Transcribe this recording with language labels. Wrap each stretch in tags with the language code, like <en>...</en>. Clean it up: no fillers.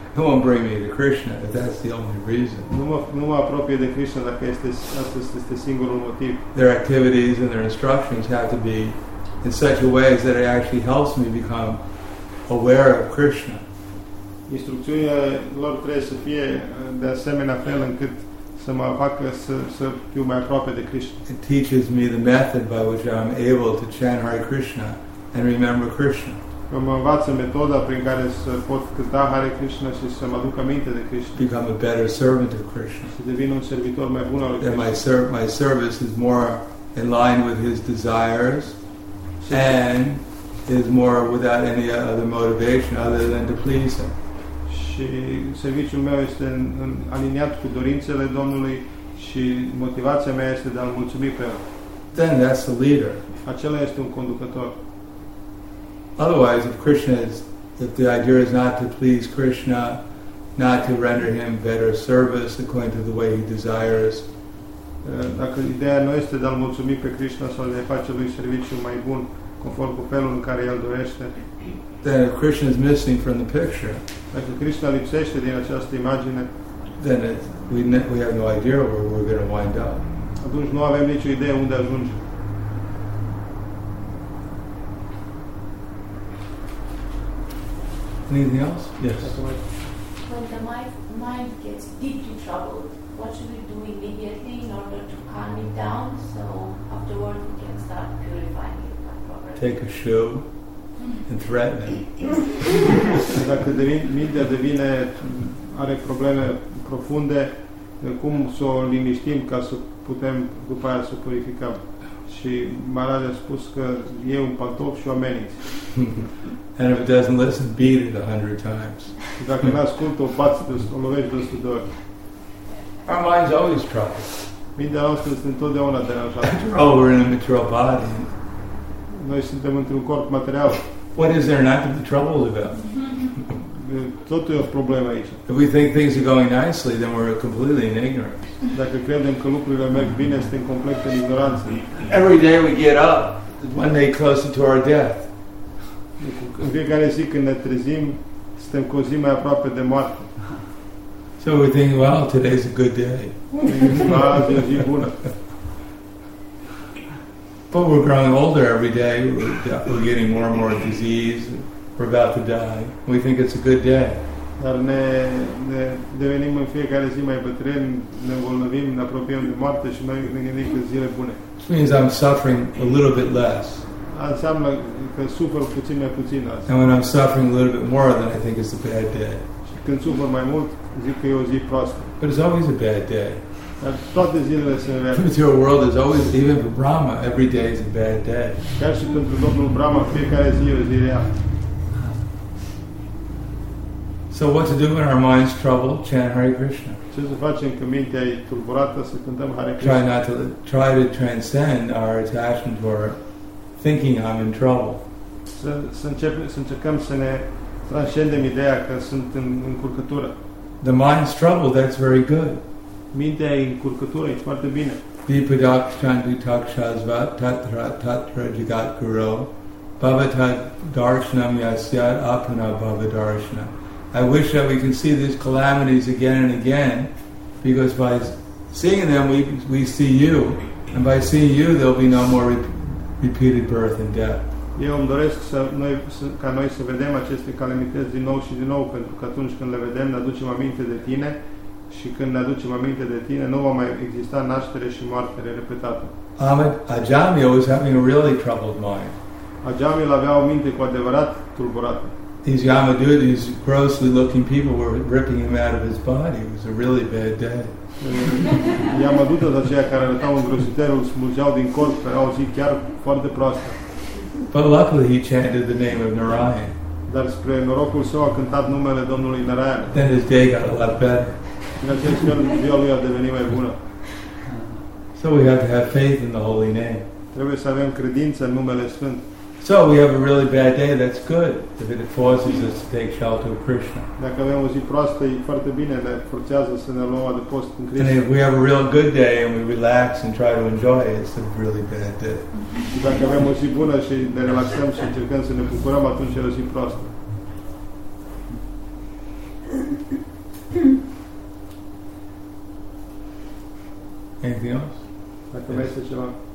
<en>It won't bring me to Krishna if that's the only reason.</en> <ro>Nu mă apropie de Krishna dacă este singurul motiv.</ro> <en>Their activities and their instructions have to be in such a way as that it actually helps me become aware of Krishna.</en> <ro>Instrucțiunile lor trebuie să fie de asemenea fel încât să mă facă să fiu mai aproape de Krishna.</ro> <en>It teaches me the method by which I am able to chant Hare Krishna and remember Krishna.</en> <ro>Mă învață metoda prin care să pot cânta Hare Krishna și să mă aduc aminte de Krishna.</ro> <en>Become a better servant of Krishna.</en> <ro>Să devin un servitor mai bun al lui Krishna.</ro> <en>My service is more in line with his desires and is more without any other motivation other than to please him.</en> <ro>Și serviciul meu este aliniat cu dorințele Domnului și motivația mea este de a-L mulțumi pe El.</ro> <en>Then that's the leader.</en> <ro>Acela este un conducător.</ro> <en>Otherwise, if the idea is not to please Krishna, not to render him better service according to the way he desires,</en> <ro>dacă ideea nu este de a-L mulțumi pe Krishna sau de a face lui serviciul mai bun conform cu felul în care el dorește,</ro> <en>then if Krishna is missing from the picture,</en> <ro>dacă Krishna lipsește din această imagine,</ro> <en>then we have no idea where we're going to wind up.</en> <ro>Atunci nu avem nicio idee unde ajunge.</ro> <en>Anything else? Yes. When the mind gets deeply troubled, what should we do immediately in order to calm it down so afterward we can start purifying it? Take a shoe and threaten it.</en> <ro>Dacă mintea devine, are probleme profunde, cum să o liniștim ca să putem după aia să purificăm? Și Maharaj a spus că e un pantof și o ameninț.</ro> <en>And if it doesn't listen, beat it 100 times.</en> <ro>Dacă nu ascultă, o lovești 100 de ori.</ro> <en>Our mind's always troubled.</en> <ro>Mintea noastră este întotdeauna deranjată.</ro> <en>Oh, we're in a material body.</en> <ro>Noi suntem într-un corp material.</ro> <en>What is there not to be troubled about?</en> <ro>tot e o problemă aici.</ro> <en>If we think things are going nicely, then we're completely in ignorance.</en> <ro>Dacă credem că lucrurile merg bine, suntem complet în ignoranță.</ro> <en>Every day we get up, one day closer to our death.</en> <ro>În fiecare zi când ne trezim, suntem cu o zi mai aproape de moarte.</ro> <en>So we think, well, today's a good day.</en> <ro>E o zi bună.</ro> <en>But we're growing older every day. We're getting more and more disease. We're about to die. We think it's a good day.</en> <ro>Dar ne devenim în fiecare zi mai bătrâni, ne îmbolnăvim, ne apropiem de moarte și noi ne gândim că zile bune.</ro> <en>Means I'm suffering a little bit less.</en> <ro>Înseamnă că sufăr puțin mai puțin azi.</ro> <en>And when I'm suffering a little bit more, then I think it's a bad day.</en> <ro>Și când sufăr mai mult, zic că e o zi proastă.</ro> <en>But it's always a bad day.</en> <ro>Toate zilele sunt rele.</ro> <en>Because your world is always, even for Brahma, every day is a bad day.</en> <ro>Chiar și pentru Domnul Brahma, fiecare zi e o zi rea.</ro> <en>So what to do when our mind's troubled? Chant Hare Krishna.</en> <ro>Ce să facem când mintea e tulburată? Să cântăm Hare Krishna.</ro> <en>Try to transcend our attachment to our thinking I'm in trouble.</en> <ro>Să încercăm să ne transcendem ideea că sunt în încurcătură.</ro> <en>The mind's troubled, that's very good.</en> <ro>Mintea e încurcătură, e foarte bine.</ro> <sa>Vipadakshantitakshasva tatra tatra jagat guru bhavatad darshanam yasyad apana bhavadarshana.</sa> <en>I wish that we can see these calamities again and again, because by seeing them we see you, and by seeing you there will be no more repeated birth and death.</en> <ro>Eu îmi doresc ca noi să vedem aceste calamități din nou și din nou, pentru că atunci când le vedem ne aducem aminte de tine, și când ne aducem aminte de tine nu va mai exista naștere și moartere repetată.</ro> <en>Ajamil was having a really troubled mind.</en> <ro>Ajamil avea o minte cu adevărat tulburată.</ro> <en>These Yamadutas, these grossly looking people, were ripping him out of his body. It was a really bad day.</en> <ro>Yamadutas aceia care arătau îngrozitor îl smulgeau din corp, era o zi chiar foarte proastă.</ro> <en>But luckily he chanted the name of Narayan.</en> <ro>Dar spre norocul său a cântat numele Domnului Narayan.</ro> <en>Then his day got a lot better.</en> <ro>În acest fel, ziua lui a devenit mai bună.</ro> <en>So we have to have faith in the holy name.</en> <ro>Trebuie să avem credință în numele Sfânt.</ro> <en>So we have a really bad day, that's good. If it forces us to take shelter of Krishna.</en> <ro>Dacă avem o zi proastă, e foarte bine, ne forțează să ne luăm adăpost în Krishna.</ro> <en>And if we have a real good day and we relax and try to enjoy it, it's a really bad day.</en> <ro>Dacă avem o zi bună și ne relaxăm și încercăm să ne bucurăm, atunci e o zi proastă.</ro> <en>Anything else?</en> <ro>Dacă mai este ceva.</ro>